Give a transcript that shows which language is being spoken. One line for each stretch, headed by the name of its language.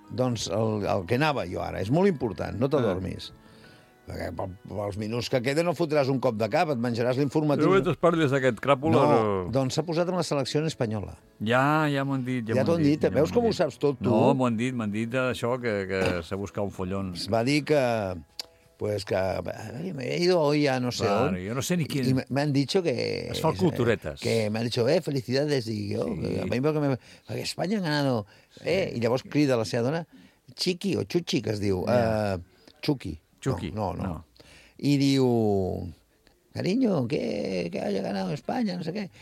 Catalan: Doncs el que anava jo ara, és molt important, no t'adormis. Perquè pels minuts que queden no fotràs un cop de cap, et menjaràs l'informatiu. Però tu parles d'aquest cràpula... No, doncs s'ha posat amb la selecció espanyola. Ja m'ho han dit. Ja t'ho han dit. Ja veus com ho saps tot, tu? No, m'ho han dit d'això, que s'ha buscat un follon. Es va dir que...
Spanish: Pues que me he ido hoy a no sé
Catalan: on. Jo no sé ni qui. I m'han dit que... Es fa culturetes. Que m'han dit,
Spanish: felicidades.
Catalan: I jo, perquè Espanya
Spanish: ha ganado.
Catalan: Sí. I llavors crida la seva dona, Chiqui o Chuchi, que es diu. Chuqui. Chuqui. No. I diu,
Spanish: cariño, que haya ganado
Catalan: Espanya, no sé què.